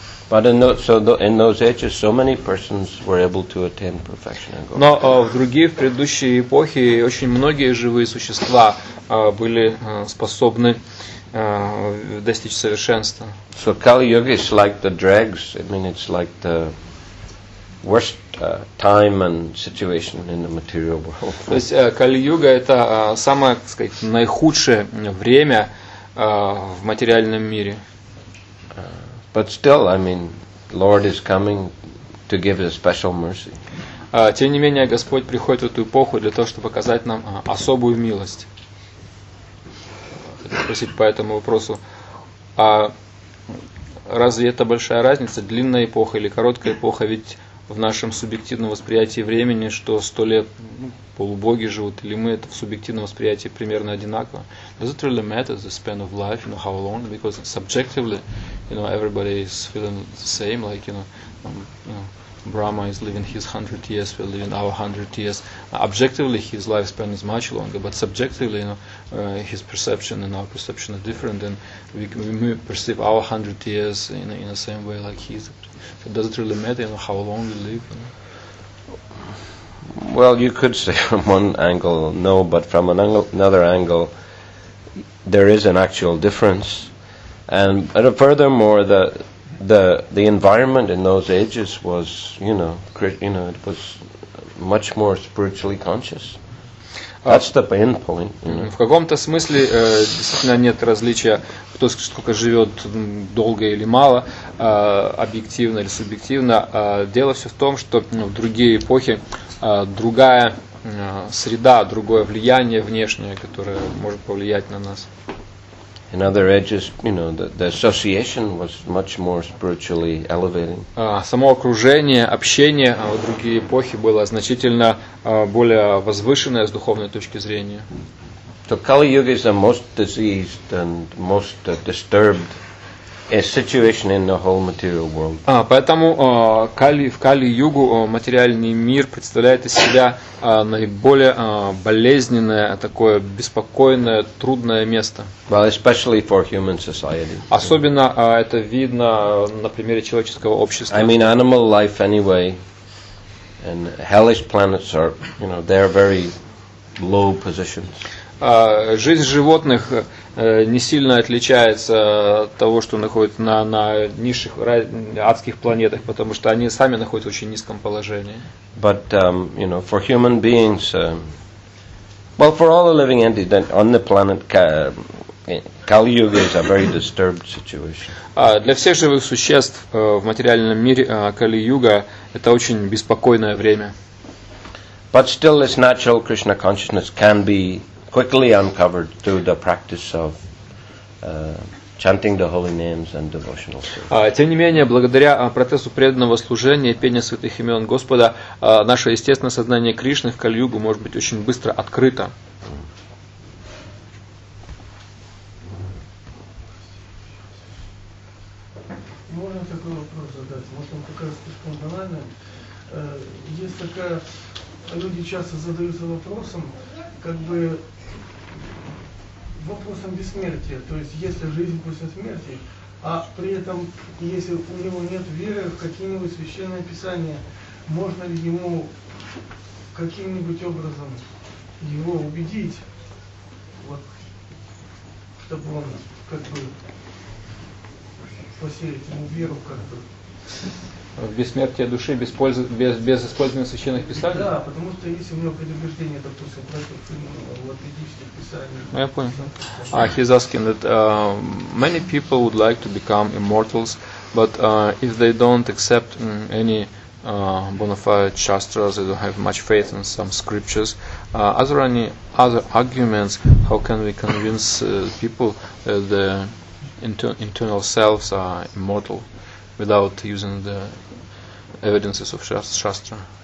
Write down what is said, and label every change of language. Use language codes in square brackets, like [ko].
[en] But in those, so the, in those ages, so many persons were able to attain perfection. [ru] Но в другие, в предыдущие эпохи, очень многие живые существа были способны достичь совершенства. [en] So Kali Yuga is like the dregs. I mean, it's like the worst time and situation in the material world. [ru] То есть Кали Юга это самое, так сказать, наихудшее время в материальном мире. [en] But still, I mean, Lord is coming to give a special mercy. [ru] Тем не менее, Господь приходит в эту эпоху для того, чтобы оказать нам особую милость. Спросить по этому вопросу, а разве это большая разница, длинная эпоха или короткая эпоха? Ведь в нашем субъективном восприятии времени, что 100 лет полубоги живут, или мы, это в субъективном восприятии примерно одинаково. [en] Does it really matter the span of life, you know, how long? Because subjectively, you know, everybody is feeling the same, like, you know, Brahma is living his 100 years, we're living our 100 years. Objectively, his lifespan is much longer, but subjectively, you know, his perception and our perception are different, and we perceive our 100 years in the same way like his. So does it really matter, you know, how long we live? You know? Well, you could say from one angle, no, but from another angle, there is an actual difference. And furthermore, the environment in those ages was, you know, it was much more spiritually conscious. That's the main point. You know. [ru] В каком-то смысле действительно нет различия, кто сколько живет долго или мало, объективно или субъективно. Дело все в том, что в другие эпохи другая среда, другое влияние внешнее, которое может повлиять на нас. [en] In other ages, you know, the association was much more spiritually elevating. [ru] Само окружение, общение в другие эпохи было значительно более возвышенное с духовной точки зрения. [en] So Kali-yuga is the most diseased and most disturbed situation in the whole material world. [ru] Поэтому в Кали-югу материальный мир представляет из себя наиболее болезненное, такое беспокойное, трудное место. [en] Well, especially for human society. [ru] Особенно это видно на примере человеческого общества. [en] I mean, animal life anyway, and hellish planets are, you know, they are very low positions. [ru] Жизнь животных не сильно отличается от того, что находится на низших адских планетах, потому что они сами находятся в очень низком положении. [en] But you know, for human beings, well, for all the living entities on the planet, Kali-yuga is a very disturbed situation. [ru] Для всех живых существ в материальном мире Кали-юга это очень беспокойное время. [en] But still, this natural Krishna consciousness can be quickly uncovered through the practice of chanting the holy names and devotional service. [ru] Тем не менее, благодаря процессу преданного служения и пения святых имен Господа, наше естественное сознание Кришны в Кали-югу может быть очень быстро открыто. Можно такой вопрос задать? Может, он покажется слишком банальным? Есть такая... Люди часто задаются вопросом, как бы... вопросом бессмертия, то есть есть ли жизнь после смерти, а при этом, если у него нет веры в какие-нибудь священные писания, можно ли ему каким-нибудь образом его убедить, вот, чтобы он как бы посеять ему веру как бы? в бессмертие души без пользы, без использования священных писаний? Да, потому что если у него предубеждение, допустим, против атеистических писаний. Я понял. [en] He's asking that many people would like to become immortals, but if they don't accept any bona fide shastras, they don't have much faith in some scriptures. Are there any other arguments? How can we convince people that the internal selves are immortal without using the evidences of shastra?